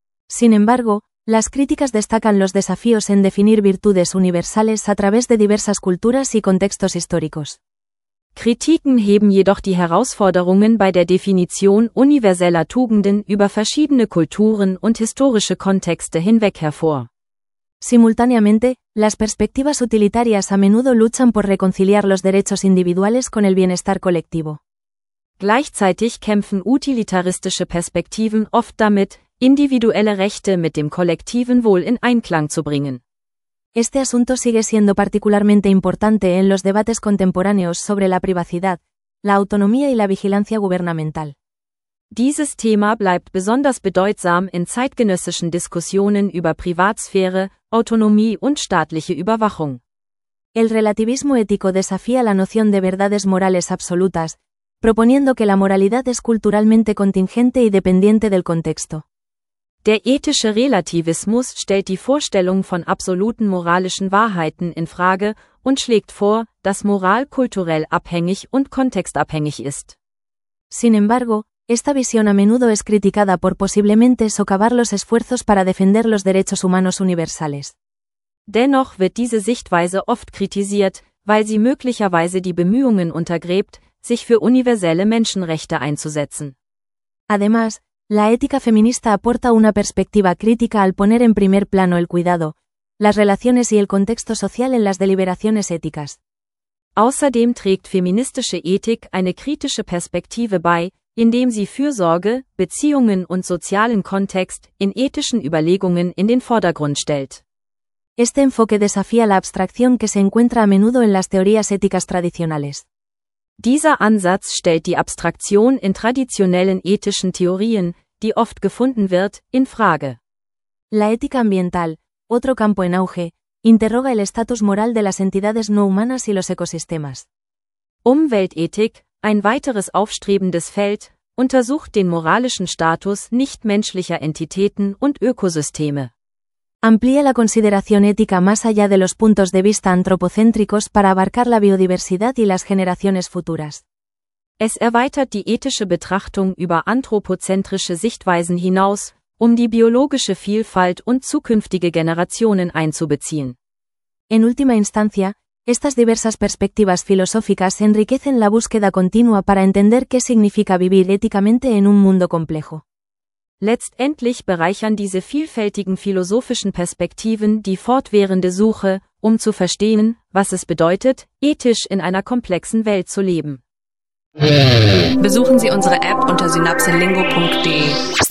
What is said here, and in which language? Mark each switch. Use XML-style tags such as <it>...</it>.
<es>Sin embargo, las críticas destacan los desafíos en definir virtudes universales a través de diversas culturas y contextos históricos.</es> <de>Kritiken heben jedoch die Herausforderungen bei der Definition universeller Tugenden über verschiedene Kulturen und historische Kontexte hinweg hervor.</de> <es>Simultáneamente, las perspectivas utilitarias a menudo luchan por reconciliar los derechos individuales con el bienestar colectivo.</es> <de>Gleichzeitig kämpfen utilitaristische Perspektiven oft damit, individuelle Rechte mit dem kollektiven Wohl in Einklang zu bringen.</de> <es>Este asunto sigue siendo particularmente importante en los debates contemporáneos sobre la privacidad, la autonomía y la vigilancia gubernamental.</es> <de>Dieses Thema bleibt besonders bedeutsam in zeitgenössischen Diskussionen über Privatsphäre, Autonomie und staatliche Überwachung.</de> <es>El relativismo ético desafía la noción de verdades morales absolutas, proponiendo que la moralidad es culturalmente contingente y dependiente del contexto.</es> <de>Der ethische Relativismus stellt die Vorstellung von absoluten moralischen Wahrheiten in Frage und schlägt vor, dass Moral kulturell abhängig und kontextabhängig ist.</de> <es>Sin embargo, esta visión a menudo es criticada por posiblemente socavar los esfuerzos para defender los derechos humanos universales.</es> <de>Dennoch wird diese Sichtweise oft kritisiert, weil sie möglicherweise die Bemühungen untergräbt, sich für universelle Menschenrechte einzusetzen.</de> <es>Además, la ética feminista aporta una perspectiva crítica al poner en primer plano el cuidado, las relaciones y el contexto social en las deliberaciones éticas.</es> <de>Außerdem trägt feministische Ethik eine kritische Perspektive bei, indem sie Fürsorge, Beziehungen und sozialen Kontext in ethischen Überlegungen in den Vordergrund stellt.</de> <es>Este enfoque desafía la abstracción que se encuentra a menudo en las teorías éticas tradicionales.</es> <de>Dieser Ansatz stellt die Abstraktion in traditionellen ethischen Theorien, die oft gefunden wird, in Frage.</de> <es>La ética ambiental, otro campo en auge, interroga el estatus moral de las entidades no humanas y los ecosistemas.</es> <de>Umweltethik, ein weiteres aufstrebendes Feld, untersucht den moralischen Status nichtmenschlicher Entitäten und Ökosysteme.</de> <es>Amplía la consideración ética más allá de los puntos de vista antropocéntricos para abarcar la biodiversidad y las generaciones futuras.</es> <de>Es erweitert die ethische Betrachtung über anthropozentrische Sichtweisen hinaus, um die biologische Vielfalt und zukünftige Generationen einzubeziehen.</de> <es>En última instancia, estas diversas perspectivas filosóficas enriquecen la búsqueda continua para entender qué significa vivir éticamente en un mundo complejo.</es> <de>Letztendlich bereichern diese vielfältigen philosophischen Perspektiven die fortwährende Suche, um zu verstehen, was es bedeutet, ethisch in einer komplexen Welt zu leben. Besuchen Sie unsere App unter synapselingo.de.</de>